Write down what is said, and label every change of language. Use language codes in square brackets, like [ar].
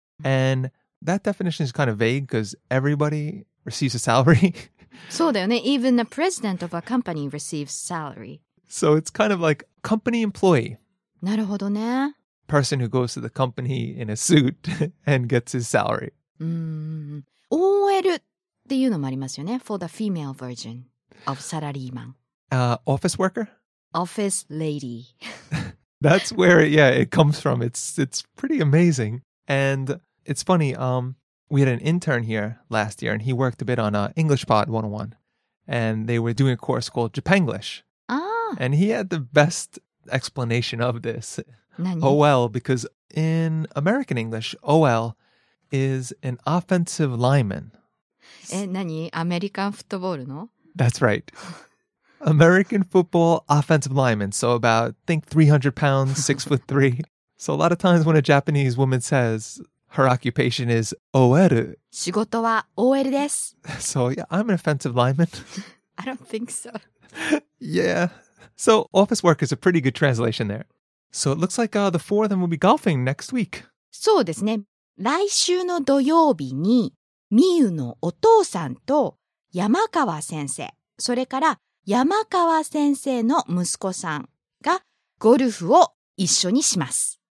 [en] And that definition is kind of vague because everybody receives a salary. [ja] そうだよね。 [en] Even the president of a company receives salary. So it's kind of like company employee. [ja] なるほどね。 [en] Person who goes to the company in a suit and gets his salary. [ja] OL っていうのもありますよね。 [en] For the female version of salaryman. Office worker? Office lady. That's where, yeah, it comes from. It's pretty amazing. And it's funny, we had an intern here last year and he worked a bit on English Pod 101. And they were doing a course called Japanglish. Ah. And he had the best... explanation of this. OL, because in American English, OL is an offensive lineman. American football? No? That's right. American football offensive lineman. So about, think 300 pounds, 6'3". So a lot of times when a Japanese woman says her occupation is OL. [ja] 仕事は OL です。 [en] So yeah, I'm an offensive lineman. I don't think so. Yeah. So, office work is a pretty good translation there. So, it looks like the four of them will be golfing next week. [ja] そうですね。来週の土曜日に、ミユのお父さんと山川先生、それから山川先生の息子さんがゴルフを一緒にします。